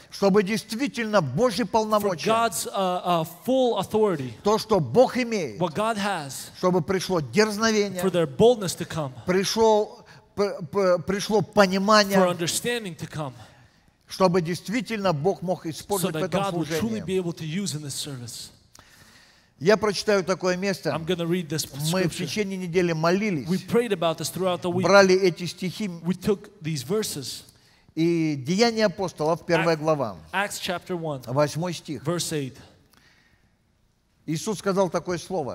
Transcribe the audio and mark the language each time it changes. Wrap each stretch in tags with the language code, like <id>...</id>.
<ru>Чтобы действительно Божьи полномочия,</ru> <en>for God's full authority,</en> <ru>то, что Бог имеет,</ru> <en>what God has,</en> <ru>чтобы пришло дерзновение,</ru> <en>for their boldness to come,</en> <ru>пришло понимание,</ru> <en>for understanding to come,</en> <ru>чтобы действительно Бог мог использовать</ru> <en>so</en> <ru>в этом служении,</ru> <en>so that God will truly be able to use in this service.</en> <ru>Я прочитаю такое место.</ru> <en>I'm gonna read this scripture.</en> <ru>Мы в течение недели молились.</ru> <en>We prayed about this throughout the week.</en> <ru>Брали эти стихи.</ru> <en>We took these verses.</en> <ru>И Деяния апостолов, первая глава.</ru> <en>Acts chapter 1.</en> <ru>Восьмой стих.</ru> <en>Verse 8.</en> <ru>Иисус сказал такое слово.</ru>